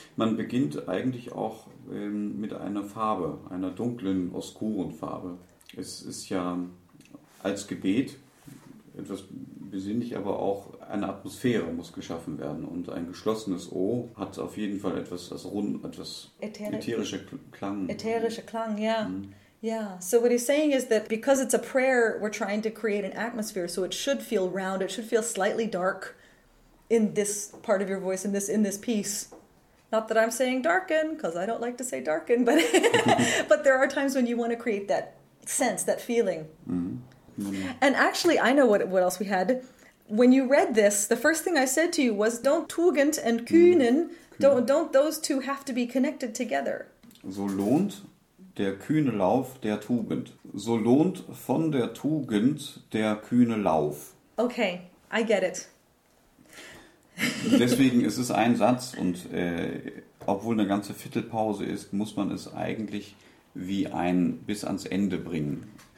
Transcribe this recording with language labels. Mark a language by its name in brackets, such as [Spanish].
[German] Man beginnt eigentlich auch mit einer Farbe, einer dunklen, oskuren Farbe. Es ist ja als Gebet etwas besinnlich, aber auch eine Atmosphäre muss geschaffen werden. Und ein geschlossenes O hat auf jeden Fall etwas, also rund, etwas ätherischer Klang. Ätherischer Klang, ja. Mm. [English] Yeah, so what he's saying is that because it's a prayer, we're trying to create an atmosphere, so it should feel round, it should feel slightly dark in this part of your voice, in this piece. Not that I'm saying darken, because I don't like to say darken, but but there are times when you want to create that sense, that feeling. Mm-hmm. Mm-hmm. And actually, I know what else we had. When you read this, the first thing I said to you was, don't Tugend and Kühnen, mm-hmm. don't those two have to be connected together? [German] So lohnt der kühne Lauf der Tugend. So lohnt von der Tugend der kühne Lauf. [English] Okay, I get it. [German] Deswegen ist es ein Satz und obwohl eine ganze Viertelpause ist, muss man es eigentlich wie ein bis ans Ende bringen.